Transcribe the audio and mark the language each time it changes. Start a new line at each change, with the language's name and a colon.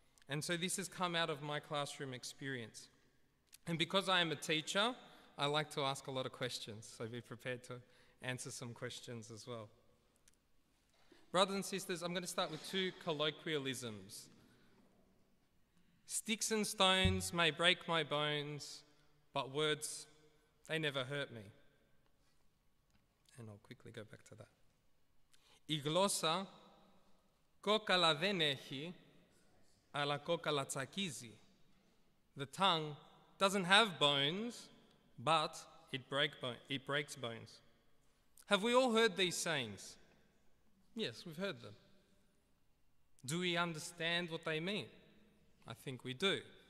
English: And so this has come out of my classroom experience. And because I am a teacher, I like to ask a lot of questions, so be prepared to answer some questions as well. Brothers and sisters, I'm going to start with two colloquialisms. Sticks and stones may break my bones, but words, they never hurt me. And I'll quickly go back to that.
Greek: Η γλώσσα κόκαλα δεν έχει, αλλά κόκαλα τσακίζει.
English: The tongue doesn't have bones, but it breaks bones. Have we all heard these sayings? Yes, we've heard them. Do we understand what they mean? I think we do.